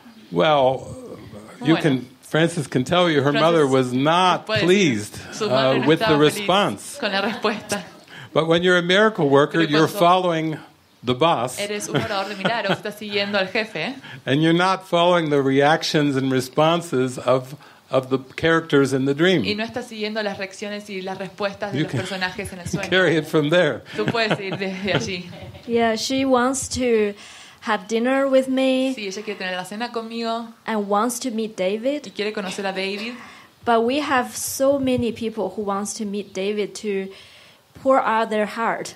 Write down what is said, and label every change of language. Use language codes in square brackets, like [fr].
[en] Well, you can Francis can tell you her [es] Francis [en] mother was not pleased with the response. [es] Con la respuesta. [en] But when you're a miracle worker, you're following the boss. [es] Eres un operador de milagros, estás siguiendo al jefe. [en] And you're not following the reactions and responses of the characters in the dream. [es] Y no estás siguiendo las reacciones y las respuestas de [en] you [es] los personajes en el sueño. [en] Carry it from there. [es] Tú puedes ir desde allí. [en] Yeah, she wants to have dinner with me. [es] Sí, ella quiere tener la cena conmigo. [en] And wants to meet David. [es] Y quiere conocer a David. [en] But we have so many people who wants to meet David to pour out their heart.